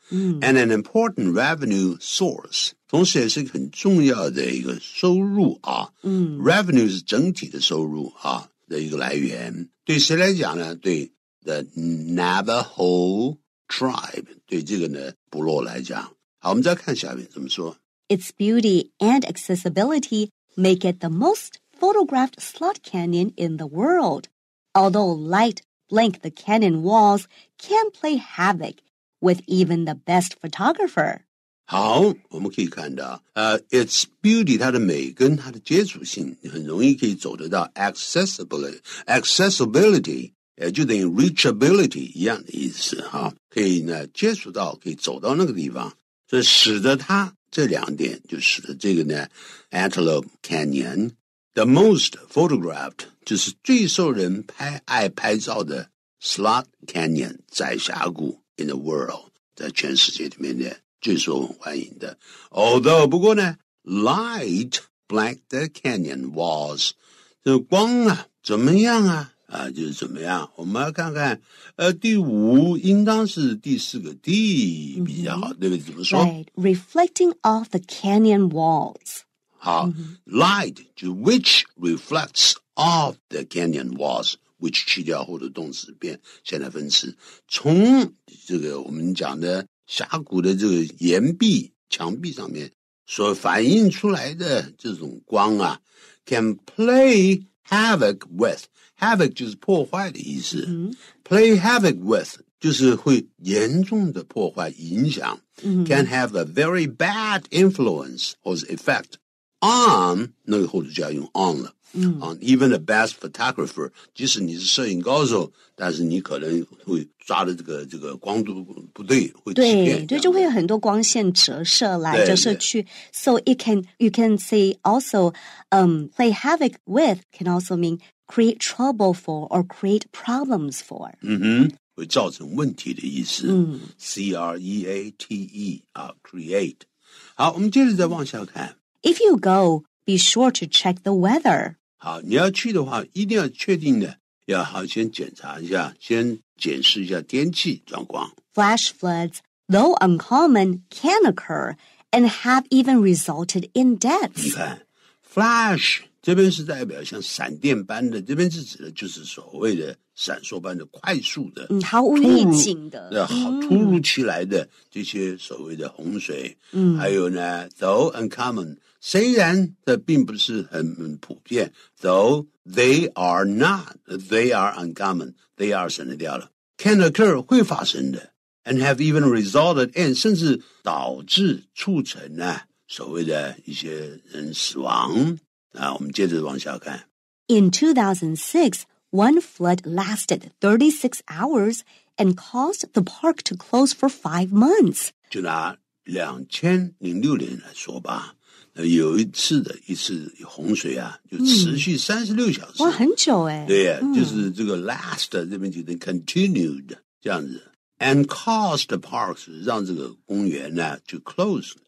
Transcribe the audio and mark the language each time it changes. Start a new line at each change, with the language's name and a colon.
English: And an important revenue source,
Chinese: 同时也是一个很重要的一个收入啊。 Revenue 是整体的收入啊。的一个来源，对谁来讲呢？对
English: the Navajo tribe,
Chinese: 对这个呢部落来讲。好，我们再看下面怎么说。
English: Its beauty and accessibility make it the most photographed slot canyon in the world. Although light blank the canyon walls can play havoc with even the best photographer.
Chinese: 好，我们可以看到its beauty, 它的美跟它的接触性很容易可以走得到 accessibility, 也就等于 reachability 一样的意思啊，可以呢接触到，可以走到那个地方，所以使得它这两点就使得这个呢
English: Antelope Canyon, the most photographed,
Chinese: 就是最受人爱拍照的 slot canyon, 窄峡谷 in the world, 在全世界里面的最受欢迎的。
English: Although,
Chinese: 不过呢
English: light blanked the canyon walls.
Chinese: 这光啊怎么样啊啊就是怎么样。我们要看看第五应当是第四个 D 比较好、对不对，怎么说
English: right, reflecting off the canyon walls. 好、light, 就 which reflects off the canyon walls.
Chinese: which 去掉后的动词变现在分词，从这个我们讲的峡谷的这个岩壁墙壁上面所反映出来的这种光啊 can play havoc with, havoc 就是破坏的意思、 play havoc with 就是会严重的破坏影响、
English: can have a very bad influence or effect on,
Chinese: 那个后头就要用 on 了
English: even the best photographer,
Chinese: 即使你是摄影高手，但是你可能会抓的这个光度不对，会欺骗。对，就会有很多光线折射来折射去。
English: So you can say also, play havoc with can also mean create trouble for or create problems for.
Chinese: 会造成问题的意思。C-R-E-A-T-E, create. 好，我们接着再往下看。
English: If you go,Be sure to check the weather.
Chinese: 好，你要去的话，一定要确定的，要好先检查一下，先检视一下天气状况。
English: Flash floods, though uncommon, can occur and have even resulted in deaths.
Chinese: 你看 ，flash 这边是代表像闪电般的，这边是指的就是所谓的闪烁般的快速的，毫无预警的，突如其来的这些所谓的洪水，还有呢 though uncommon， 虽然这并不是很普遍，
English: though they are not， they are uncommon，
Chinese: they are 省得掉了， can occur 会发生的， and have even resulted in 甚至导致促成呢、啊、所谓的一些人死亡。那我们接着往下看。
English: In 2006, one flood lasted 36 hours and caused the park to close for 5 months.
Chinese: 就拿2006年来说吧，那有一次的一次洪水啊，就持续36小时。哇，很久哎。对呀、就是这个 last 这边就是 continued 这样子。
English: And caused the park
Chinese: 让这个公园呢就
English: close。